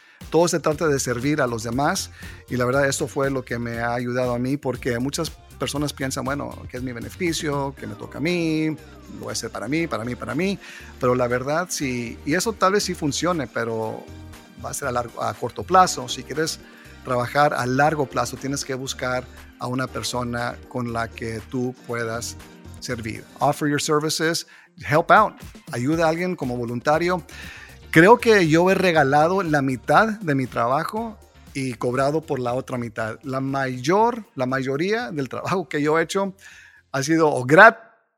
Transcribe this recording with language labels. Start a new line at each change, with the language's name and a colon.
Spanish: Todo se trata de servir a los demás, y la verdad esto fue lo que me ha ayudado a mí, porque muchas personas piensan, bueno, ¿qué es mi beneficio? ¿Qué me toca a mí? ¿Lo voy a hacer para mí? Pero la verdad, sí, y eso tal vez sí funcione, pero va a ser a corto plazo. Si quieres trabajar a largo plazo, tienes que buscar a una persona con la que tú puedas servir.
English: Offer your services, help out.
Spanish: Ayuda a alguien como voluntario. Creo que yo he regalado la mitad de mi trabajo y cobrado por la otra mitad. La mayoría del trabajo que yo he hecho ha sido o gratis